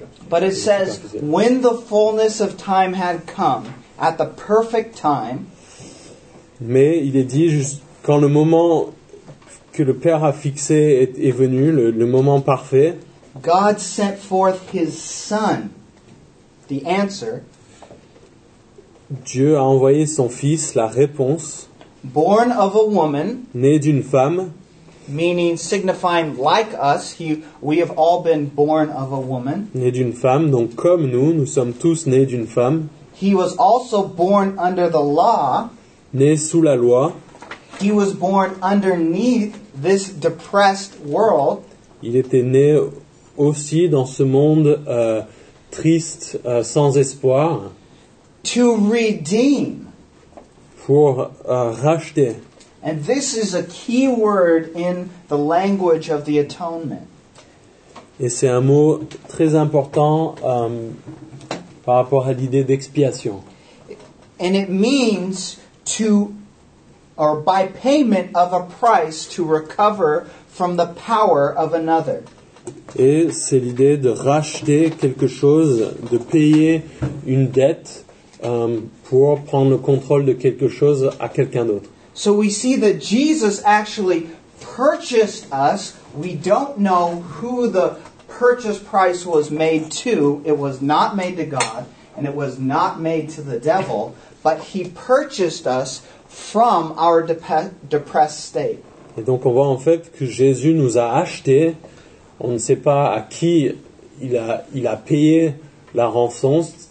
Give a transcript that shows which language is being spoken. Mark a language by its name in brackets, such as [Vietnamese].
[English] But it says, when the fullness of time had come, at the perfect time. [French] Mais il est dit juste quand le moment que le Père a fixé est venu, le moment parfait. [English] God sent forth his son, the answer. [French] Dieu a envoyé son fils, la réponse. [English] Born of a woman. [French] Né d'une femme. [English] Meaning, signifying like us, we have all been born of a woman. [French] Né d'une femme, donc comme nous, nous sommes tous nés d'une femme. [English] He was also born under the law. [French] Né sous la loi. [English] He was born underneath this depressed world. [French] Il était né aussi dans ce monde triste, sans espoir. [English] To redeem. [French] Pour racheter. [English] And this is a key word in the language of the atonement. [French] Et c'est un mot très important par rapport à l'idée d'expiation. [English] And it means to, or by payment of a price to recover from the power of another. [French] Et c'est l'idée de racheter quelque chose, de payer une dette pour prendre le contrôle de quelque chose à quelqu'un d'autre. [English] So we see that Jesus actually purchased us. We don't know who the purchase price was made to. It was not made to God, and it was not made to the devil, but he purchased us from our depressed state. [French] Et donc on voit en fait que Jésus nous a achetés. On ne sait pas à qui il a payé la rançon.